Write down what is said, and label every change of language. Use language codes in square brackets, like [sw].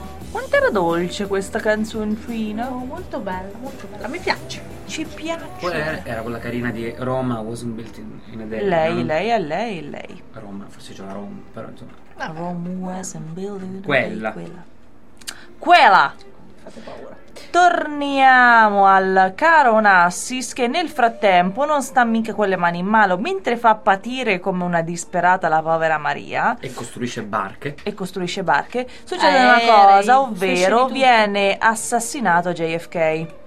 [it] davvero dolce questa canzoncina. Oh, molto bella, molto bella. Mi piace. Ci piace. Poi era quella carina di Roma, wasn't built in a day. Lei. Roma, forse c'è una Roma, però insomma. [en] La Roma wasn't built in a day. [it] Quella. Fate paura. Torniamo al caro Onassis, che nel frattempo non sta mica con le mani in mano, mentre fa patire come una disperata la povera Maria. E costruisce barche. Succede una cosa, ovvero viene assassinato JFK.